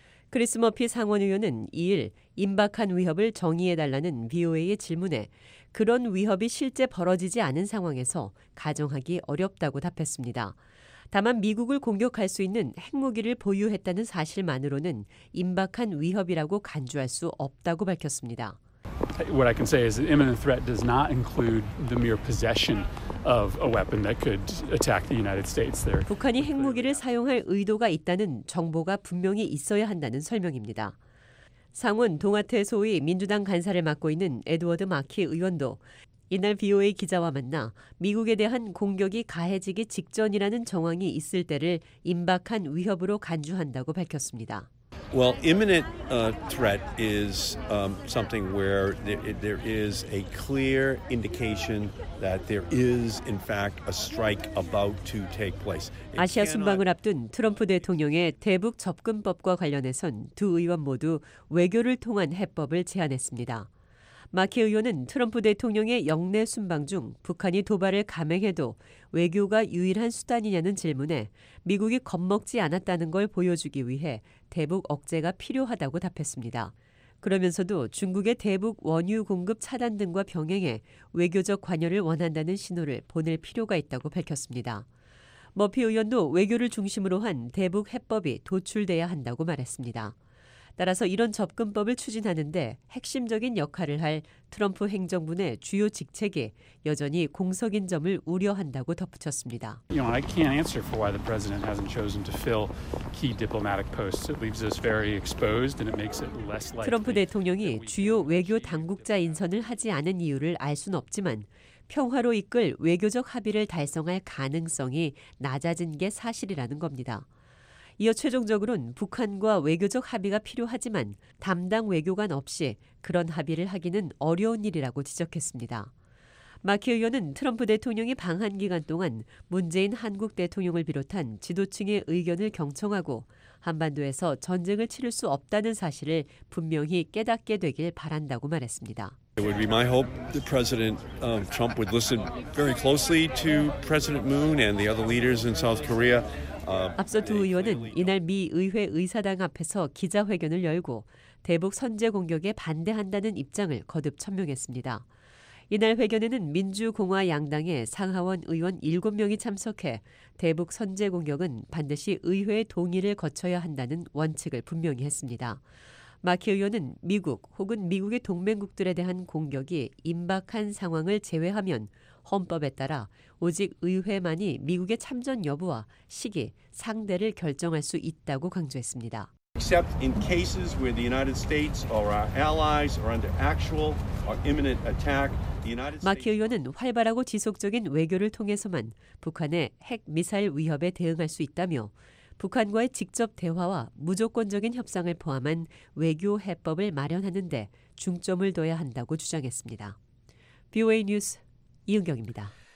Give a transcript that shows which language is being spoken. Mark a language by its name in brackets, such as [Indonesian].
[Korean] 크리스 머피 상원 의원은 2일 임박한 위협을 정의해달라는 VOA의 질문에 그런 위협이 실제 벌어지지 않은 상황에서 가정하기 어렵다고 답했습니다. 다만 미국을 공격할 수 있는 핵무기를 보유했다는 사실만으로는 임박한 위협이라고 간주할 수 없다고 밝혔습니다. [English] What I can say is an imminent threat does not include the mere possession of a weapon that could attack the United States there. [Korean] 북한이 핵무기를 사용할 의도가 있다는 정보가 분명히 있어야 한다는 설명입니다. 상원 동아태 소위 민주당 간사를 맡고 있는 에드워드 마키 의원도 이날 VOA 기자와 만나 미국에 대한 공격이 가해지기 직전이라는 정황이 있을 때를 임박한 위협으로 간주한다고 밝혔습니다. [English] Well, imminent threat is something where there is a clear indication that there is in fact a strike about to take place. [Korean] 아시아 순방을 앞둔 트럼프 대통령의 대북 접근법과 관련해선 두 의원 모두 외교를 통한 해법을 제안했습니다. 마키 의원은 트럼프 대통령의 영내 순방 중 북한이 도발을 감행해도 외교가 유일한 수단이냐는 질문에 미국이 겁먹지 않았다는 걸 보여주기 위해 대북 억제가 필요하다고 답했습니다. 그러면서도 중국의 대북 원유 공급 차단 등과 병행해 외교적 관여를 원한다는 신호를 보낼 필요가 있다고 밝혔습니다. 머피 의원도 외교를 중심으로 한 대북 해법이 도출돼야 한다고 말했습니다. 따라서 이런 접근법을 추진하는데 핵심적인 역할을 할 트럼프 행정부 내 주요 직책이 여전히 공석인 점을 우려한다고 덧붙였습니다. [English] You know, I can't answer for why the president hasn't chosen to fill key diplomatic posts. It leaves us very exposed and it makes it less likely. [Korean] 트럼프 대통령이 주요 외교 당국자 인선을 하지 않은 이유를 알 수는 없지만 평화로 이끌 외교적 합의를 달성할 가능성이 낮아진 게 사실이라는 겁니다. 이어 최종적으로는 북한과 외교적 합의가 필요하지만 담당 외교관 없이 그런 합의를 하기는 어려운 일이라고 지적했습니다. 마키 의원은 트럼프 대통령이 방한 기간 동안 문재인 한국 대통령을 비롯한 지도층의 의견을 경청하고 한반도에서 전쟁을 치를 수 없다는 사실을 분명히 깨닫게 되길 바란다고 말했습니다. [English] It would be my hope that President Trump would listen very closely to President Moon and the other leaders in South Korea. [Korean] 앞서 두 의원은 이날 미 의회 의사당 앞에서 기자회견을 열고 대북 선제 공격에 반대한다는 입장을 거듭 천명했습니다. 이날 회견에는 민주공화 양당의 상하원 의원 7명이 참석해 대북 선제 공격은 반드시 의회의 동의를 거쳐야 한다는 원칙을 분명히 했습니다. 마키 의원은 미국 혹은 미국의 동맹국들에 대한 공격이 임박한 상황을 제외하면 헌법에 따라 오직 의회만이 미국의 참전 여부와 시기, 상대를 결정할 수 있다고 강조했습니다. [English] Except in cases where the United States or our allies are under actual or imminent attack, the United States. [Korean] 마키 의원은 활발하고 지속적인 외교를 통해서만 북한의 핵 미사일 위협에 대응할 수 있다며 북한과의 직접 대화와 무조건적인 협상을 포함한 외교 해법을 마련하는 데 중점을 둬야 한다고 주장했습니다. BOA 뉴스 이은경입니다.